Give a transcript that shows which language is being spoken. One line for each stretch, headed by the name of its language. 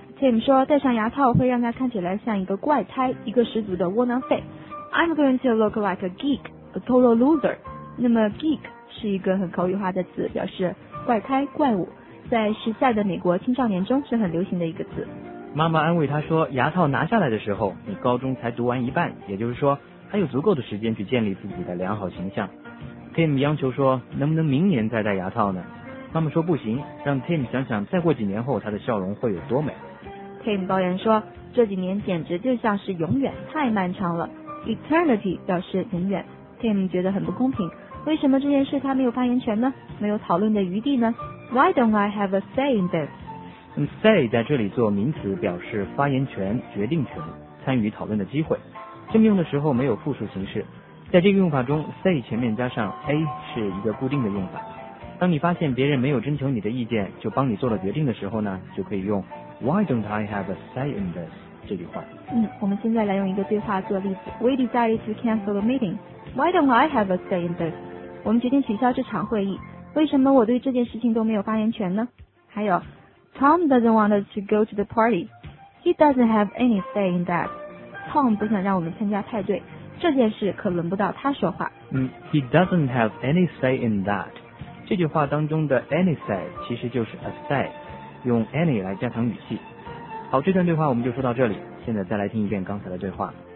Chinese: Tim 说戴上牙套会让他看起来像一个怪胎，一个十足的窝囊废。
English: I'm going to look like a geek, a total loser。
Chinese: 那么 geek 是一个很口语化的词，表示怪胎、怪物，在时下的美国青少年中是很流行的一个词。妈妈安慰他说，牙套拿下来的时候，你高中才读完一半，也就是说还有足够的时间去建立自己的良好形象。 Tim 央求说，能不能明年再戴牙套呢？妈妈说不行，让 Tim 想想再过几年后他的笑容会有多美。 Tim 抱怨说，这几年简直就像是永远，太漫长了。 Eternity 表示永远。 Tim 觉得很不公平，为什么这件事他没有发言权呢？没有讨论的余地呢？
English: Why don't I have a say in this?
Chinese: Say 在这里做名词，表示发言权、决定权、参与讨论的机会。这么用的时候没有复数形式，在这个用法中 say 前面加上 a 是一个固定的用法。当你发现别人没有征求你的意见就帮你做了决定的时候呢，就可以用
English: Why don't I have a say in this
Chinese: 这句话。嗯，我们现在来用一个对话做例子。
English: We decided to cancel the meeting. Why don't I have a say in this?
Chinese: 我们决定取消这场会议，为什么我对这件事情都没有发言权呢？还有
English: Tom doesn't want us to go to the party. He doesn't have any say in that.
Chinese: Tom 不想让我们参加派对，这件事可轮不到他说话。嗯，
English: He doesn't have any say in that，
Chinese: 这句话当中的 any say 其实就是 a say， 用 any 来加强语气。好，这段对话我们就说到这里，现在再来听一遍刚才的对话。